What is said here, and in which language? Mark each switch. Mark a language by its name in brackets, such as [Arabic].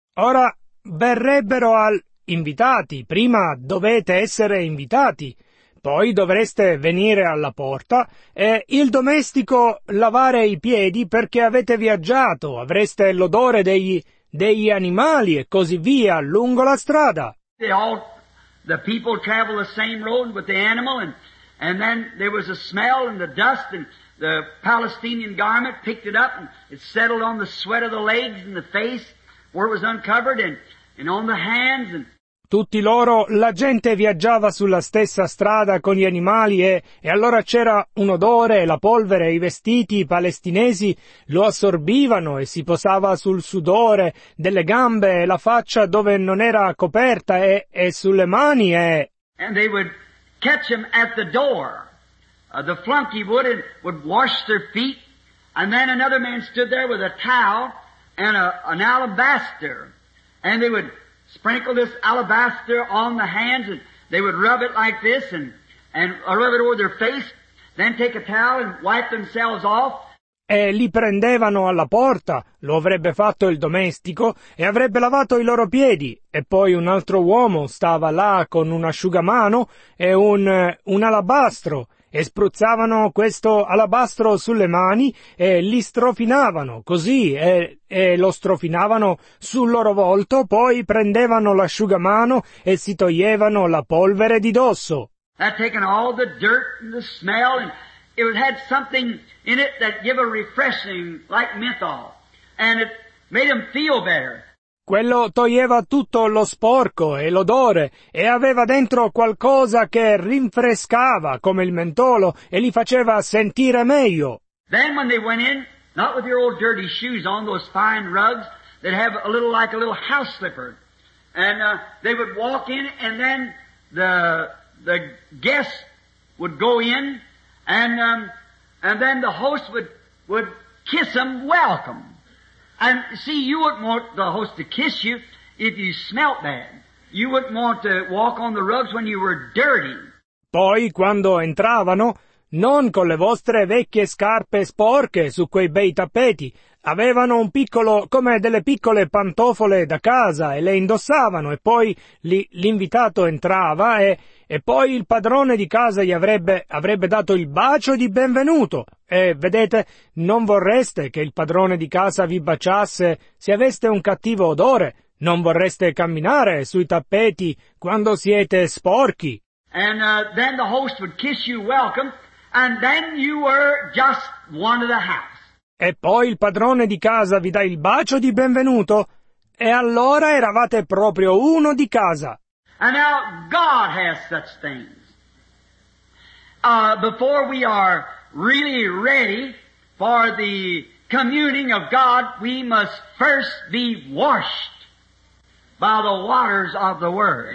[Italian] Ora verrebbero al invitati. Prima dovete essere invitati. Poi dovreste venire alla porta e il domestico lavare i piedi perché avete viaggiato. Avreste l'odore degli animali e così via lungo la strada. [English] The people travel the same road with the animal and then there was a smell and the dust and the Palestinian garment picked it up and it settled on the sweat of the legs and the face where it was uncovered and on the hands and [Italian] tutti loro, la gente viaggiava sulla stessa strada con gli animali e allora c'era un odore, la polvere e i vestiti palestinesi lo assorbivano e si posava sul sudore delle gambe e la faccia dove non era coperta e sulle mani e... [English] And they would catch him at the door. The flunky would wash their feet and then another man stood there with a towel and an alabaster and they would sprinkle this alabaster on the hands and they would rub it like this and rub it over their face, then take a towel and wipe themselves off. [Italian] E li prendevano alla porta, lo avrebbe fatto il domestico, e avrebbe lavato i loro piedi. E poi un altro uomo stava là con un asciugamano e un alabastro, e spruzzavano questo alabastro sulle mani e li strofinavano così e lo strofinavano sul loro volto, poi prendevano l'asciugamano e si toglievano la polvere di dosso. [English] That taken all the dirt and the smell and it had something in it that gave a refreshing like menthol and it made them feel better. [Italian] Quello toglieva tutto lo sporco e l'odore e aveva dentro qualcosa che rinfrescava come il mentolo e li faceva sentire meglio. [English] Then when they went in, not with your old dirty shoes on, those fine rugs that have a little like a little house slipper. And they would walk in and then the guests would go in and then the host would kiss them welcome. And see, you wouldn't want the host to kiss you if you smelt bad. You wouldn't want to walk on the rugs when you were dirty. [Italian] Poi, quando entravano, non con le vostre vecchie scarpe sporche su quei bei tappeti, avevano un piccolo, come delle piccole pantofole da casa, e le indossavano, e poi l'invitato entrava, e poi il padrone di casa gli avrebbe dato il bacio di benvenuto. E, vedete, non vorreste che il padrone di casa vi baciasse se aveste un cattivo odore. Non vorreste camminare sui tappeti quando siete sporchi. [English] And then the host would kiss you welcome, and then you were just one of the house. [Italian] E poi il padrone di casa vi dà il bacio di benvenuto, e allora eravate proprio uno di casa. [English] And now God has such things. Before we are really ready for the communing of God, we must first be washed by the waters of the Word.